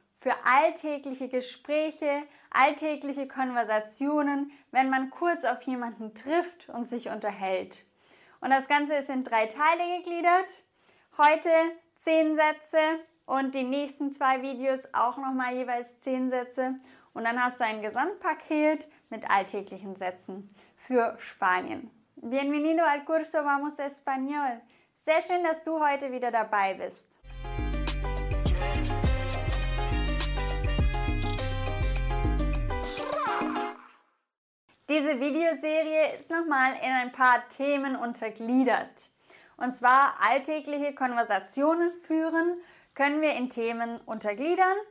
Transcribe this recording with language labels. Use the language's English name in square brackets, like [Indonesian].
[German] Für alltägliche Gespräche, alltägliche Konversationen, wenn man kurz auf jemanden trifft und sich unterhält. Und das Ganze ist in 3 Teile gegliedert. Heute 10 Sätze und die nächsten 2 Videos auch nochmal jeweils 10 Sätze. Und dann hast du ein Gesamtpaket mit alltäglichen Sätzen für Spanien. [Spanish] Bienvenido al curso Vamos Español. [German] Sehr schön, dass du heute wieder dabei bist. Diese Videoserie ist nochmal in ein paar Themen untergliedert. Und zwar alltägliche Konversationen führen, können wir in Themen untergliedern.